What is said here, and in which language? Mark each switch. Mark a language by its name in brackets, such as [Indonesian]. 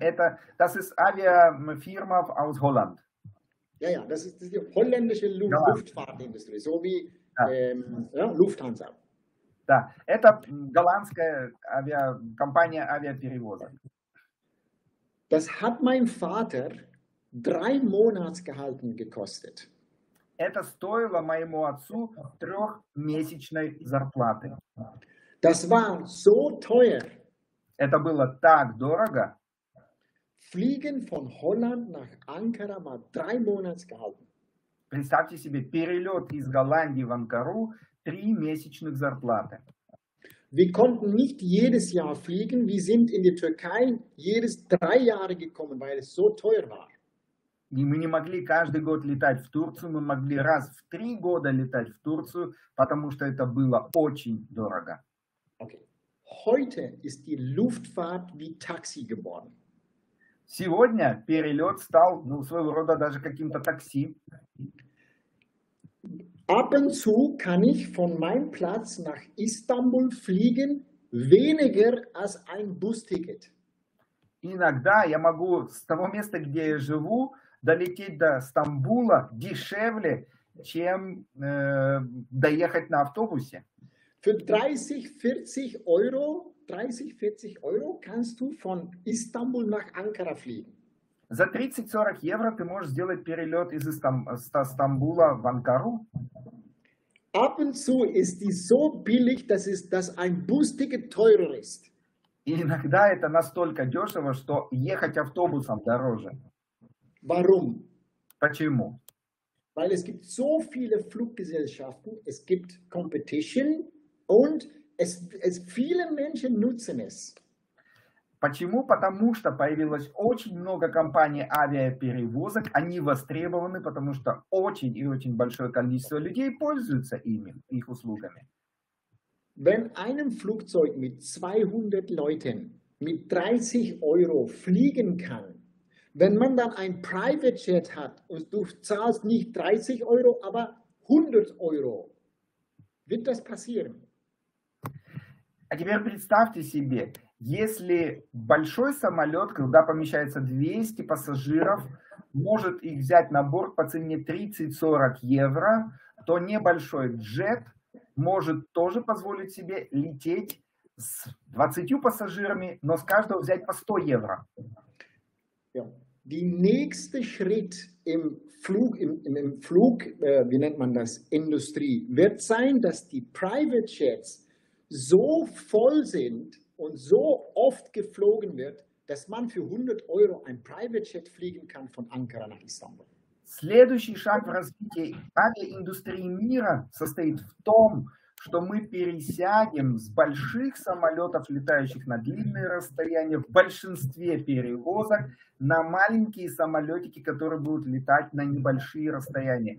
[German] Это das ist авиафирма aus Holland. Ja, ja, das ist die holländische Luftfahrtindustrie, so wie Lufthansa. [Russian] Да, это голландская авиакомпания авиаперевозок. [German] Das hat mein Vater 3 Monatsgehalten gekostet. [Russian] Это стоило моему отцу 3-месячной зарплаты. [German] Das war so teuer. [Russian] Это было так дорого. [German] Fliegen von Holland nach Ankara war 3 Monatsgehalten. [Russian] Представьте себе, перелет из Голландии в Анкару 3-месячных зарплаты. [German] Wir konnten nicht jedes Jahr fliegen, wir sind in die Türkei jedes 3 Jahre gekommen, weil es so teuer war. [Russian] И мы не могли каждый год летать в Турцию, мы могли раз в 3 года летать в Турцию, потому что это было очень дорого. Okay. [German] Heute ist die Luftfahrt wie Taxi geworden. [Russian] Сегодня перелет стал, ну, своего рода даже каким-то такси. [German] Ab und zu kann ich von meinem Platz nach Istanbul fliegen weniger als ein Busticket. [Russian] Иногда я могу с того места, где я живу, долететь до Стамбула дешевле, чем доехать на автобусе. [German] Für 30-40 Euro 30-40 Euro kannst du von Istanbul nach Ankara fliegen. [Russian] За 30-40 евро ты можешь сделать перелет из Стамбула в Анкару. [German] Ab und zu ist die so billig, dass ein Busticket teurer ist. [Russian] И иногда это настолько дешево, что ехать автобусом дороже. [German] Warum? [Russian] Почему? [German] Weil es gibt so viele Fluggesellschaften, es gibt competition und es viele Menschen nutzen es. [Russian] Почему? Потому что появилось очень много компаний авиаперевозок, они востребованы, потому что очень и очень большое количество людей пользуются ими, их услугами. [German] Wenn einem Flugzeug mit 200 Leuten mit 30 Euro fliegen kann, wenn man dann ein Private Jet hat und du zahlst nicht 30 Euro, aber 100 Euro, wird das passieren? [Russian] А теперь представьте себе, если большой самолет, куда помещается 200 пассажиров, может их взять на борт по цене 30-40 евро, то небольшой джет может тоже позволить себе лететь с 20 пассажирами, но с каждого взять по 100 евро. [German] Der nächste Schritt im Flug, wie nennt man das, Industrie, wird sein, dass die Private Jets so voll sind und so oft geflogen wird, dass man für 100 Euro ein Private Jet fliegen kann von Ankara nach Istanbul. [Russian] Следующий шаг в развитии авиаиндустрии мира состоит в том, что мы пересядем с больших самолетов, летающих на длинные расстояния, в большинстве перевозок, на маленькие самолетики, которые будут летать на небольшие расстояния.